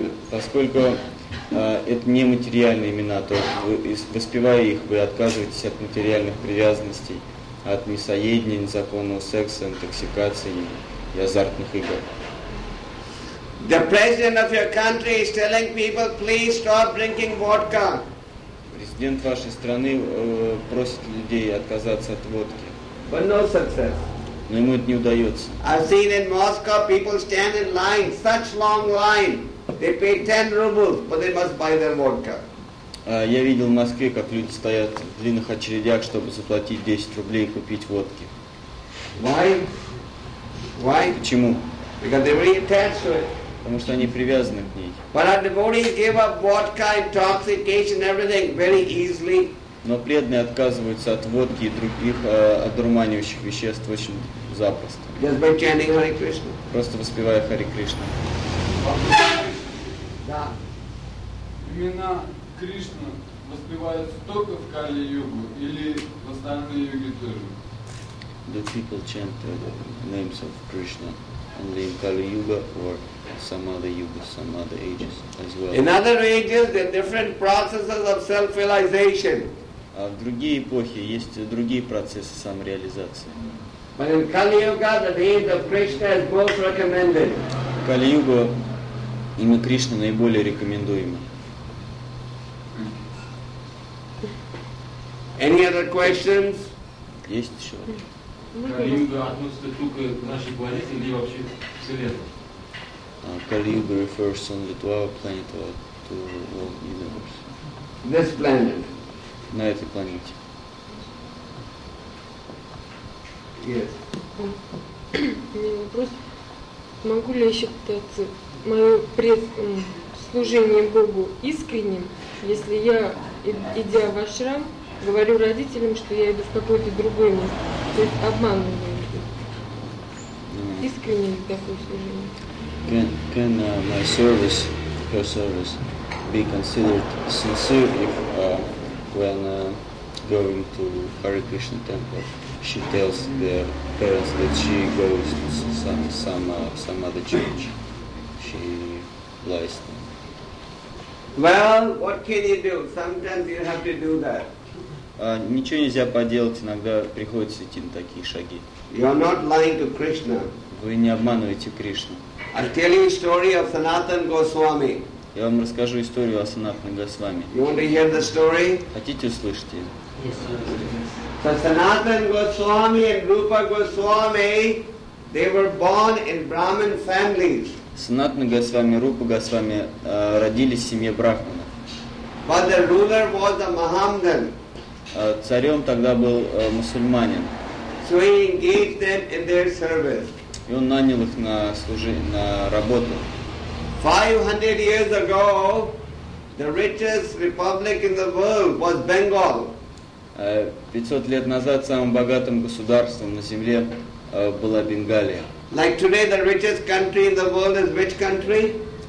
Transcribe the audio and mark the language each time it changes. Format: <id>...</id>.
<ru>Поскольку это не материальные имена, то воспевая их, вы отказываетесь от материальных привязанностей. От мясоедения, незаконного секса, интоксикации и азартных игр.</ru> <en>The president of your country is telling people, please stop drinking vodka.</en> <ru>Президент вашей страны просит людей отказаться от водки.</ru> <en>But no success.</en> <ru>Но ему это не удается.</ru> <en>I've seen in Moscow people stand in line, such long line. They pay 10 rubles, but they must buy their vodka.</en> <ru>Я видел в Москве, как люди стоят в длинных очередях, чтобы заплатить 10 рублей и купить водки.</ru> <en>Why? Why?</en> <ru>Почему?</ru> <en>Because they're really attached to it.</en> <ru>Потому что они привязаны к ней.</ru> <en>But our devotees give up vodka, intoxication, everything very easily.</en> <ru>Но преданные отказываются от водки и других одурманивающих веществ очень запросто.</ru> <en>Just by chanting Hare Krishna.</en> <ru>Просто воспевая Хари Кришну. Да. Имена Krishna воспевается только в Kali-Yuga или в остальные юги тоже?</ru> <en>Do people chant the names of Krishna only in Kali-Yuga or some other yugas, some other ages as well? In other ages there are different processes of self-realization.</en> <ru>А в другие эпохи есть другие процессы самореализации.</ru> <en>But in Kali-Yuga the names of Krishna is most recommended.</en> <ru>В Kali-Yuga имя Кришны наиболее рекомендуемо.</ru> <en>Any other questions?</en> <ru>Есть еще. Калиюга относится только к нашей планете или вообще к Вселенной?</ru> <en>Калиюга refers only to our planet or to all universe. This planet.</en> <ru>На этой планете.</ru> <en>Yes.</en> <ru>Не вопрос. Могу ли я считаться мое служение Богу искренним, если я, идя в ашрам, говорю родителям, что я иду в какое-то другое место. То есть обманываю. Искренне такое служение.</ru> <en>Can my service, her service, be considered sincere if when going to Hare Krishna temple, she tells the parents that she goes to some other church? She lies them. Well, what can you do? Sometimes you have to do that.</en> <ru>Ничего нельзя поделать, иногда приходится идти на такие шаги.</ru> <en>You are not lying to Krishna.</en> <ru>Вы не обманываете Кришну.</ru> <en>I'll tell you a story of Sanatan Goswami.</en> <ru>Я вам расскажу историю о Санатане Госвами.</ru> <en>You want to hear the story?</en> <ru>Хотите услышать?</ru> <en>Yes, so Sanatan Goswami and Rupa Goswami, they were born in Brahmin families.</en> <ru>Санатана Госвами и Рупа Госвами родились в семье брахманов.</ru> <en>But the ruler was a Mahamdan.</en> <ru>Царем тогда был мусульманин.</ru> <en>So he engaged them in their service.</en> <ru>И он нанял их на служение, на работу.</ru> <en>500 years ago, the richest republic in the world was Bengal.</en> <ru>500 лет назад самым богатым государством на земле была Бенгалия.</ru> <en>Like today, the richest country in the world is which country?</en>